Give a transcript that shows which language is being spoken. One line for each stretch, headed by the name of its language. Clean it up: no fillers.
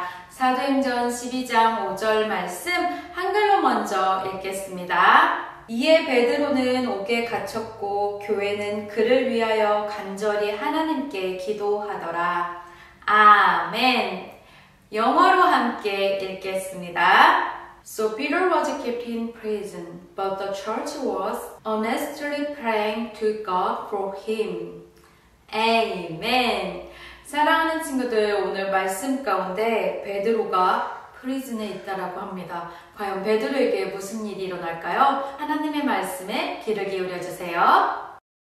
Korean: 사도행전 12장 5절 말씀 한글로 먼저 읽겠습니다. 이에 베드로는 옥에 갇혔고 교회는 그를 위하여 간절히 하나님께 기도하더라. 아멘. 영어로 함께 읽겠습니다.
English: So Peter was kept in prison, but the church was honestly praying to God for him. Amen.
Korean: 사랑하는 친구들, 오늘 말씀 가운데 베드로가 프리즌에 있다라고 합니다. 과연 베드로에게 무슨 일이 일어날까요? 하나님의 말씀에 귀를 기울여 주세요.